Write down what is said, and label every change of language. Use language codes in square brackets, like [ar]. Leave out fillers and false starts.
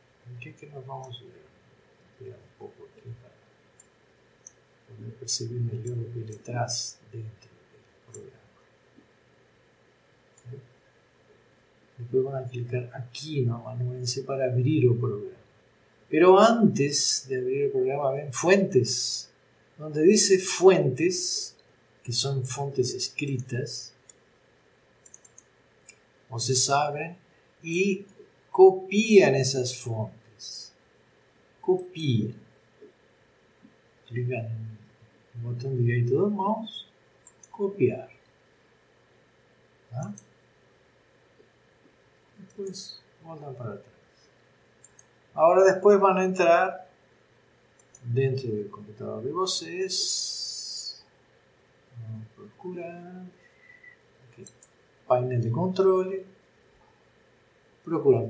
[pt] O que nós vamos ver? Vou pegar um pouco aqui para poder perceber melhor o que ele traz dentro do programa. Depois vão clicar aqui no Amanuense para abrir o programa. [es] Pero antes de abrir el programa, ven fuentes. Donde dice fuentes, que son fuentes escritas, ustedes abren y copian esas fuentes. Copian. Clican en el botón derecho del mouse. [pt] copiar. Tá? Depois voltam para trás. Agora depois vão entrar dentro do computador de vocês. Vão procurar. Aqui. Painel de controle. Procuram.